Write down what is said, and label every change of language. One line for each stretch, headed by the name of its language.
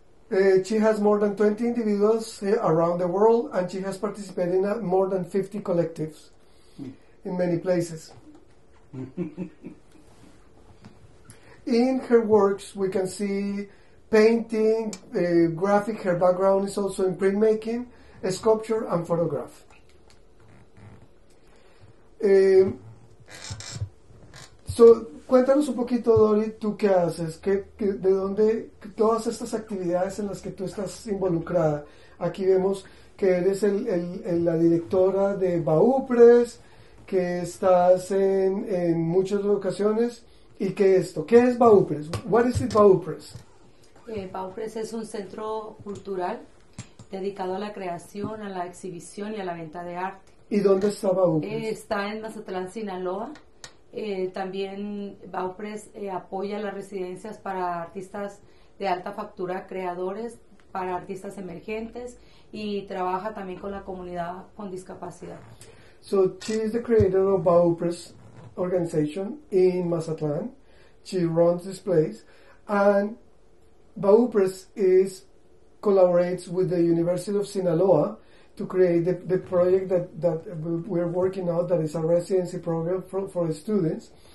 English: She has more than 20 individuals around the world, and she has participated in more than 50 collectives in many places. In her works, we can see painting, graphic. Her background is also in printmaking, sculpture, and photograph.
Spanish: So, cuéntanos un poquito, Dory, ¿tú qué haces? ¿De dónde todas estas actividades en las que tú estás involucrada? Aquí vemos que eres la directora de Baupres, que estás en muchas ocasiones. ¿Y qué es esto? ¿Qué es Baupres?
English: What is it, Baupres?
Spanish: Baupres es un centro cultural dedicado a la creación, a la exhibición y a la venta de arte. ¿Y dónde está Baupres? Está en Mazatlán, Sinaloa. También Baupres apoya las residencias para artistas de alta factura, creadores, para artistas emergentes, y trabaja también con la comunidad con discapacidad.
English: So she is the creator of Baupres organization in Mazatlán. She runs this place, and Baupres collaborates with the University of Sinaloa to create the project that we're working on, that is a residency program for the students.